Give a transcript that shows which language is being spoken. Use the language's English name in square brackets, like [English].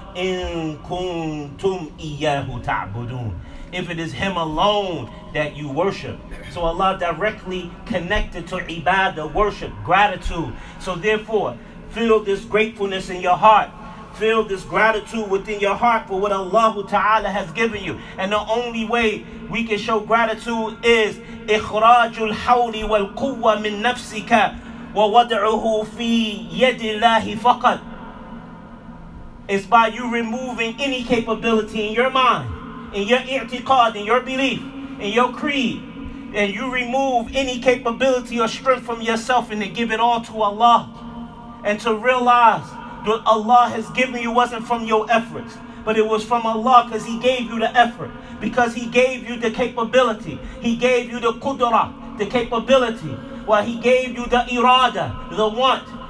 [Arabic] إِن كُنْتُمْ إِيَّهُ تَعْبُدُونَ, [English] if it is Him alone that you worship. So Allah directly connected to ibadah, worship, gratitude. So therefore, feel this gratefulness in your heart. Feel this gratitude within your heart for what Allah Ta'ala has given you. And the only way we can show gratitude is [Arabic] إِخْرَاجُ الْحَوْلِ وَالْقُوَّ مِن نَفْسِكَ وَوَضَعُهُ فِي يَدِ اللَّهِ فَقَدْ. [English] It's by you removing any capability in your mind, in your i'tiqad, in your belief, in your creed, and you remove any capability or strength from yourself and to give it all to Allah. And to realize that Allah has given you wasn't from your efforts, but it was from Allah, because He gave you the effort, because He gave you the capability, He gave you the qudra, the capability, while He gave you the irada, the want.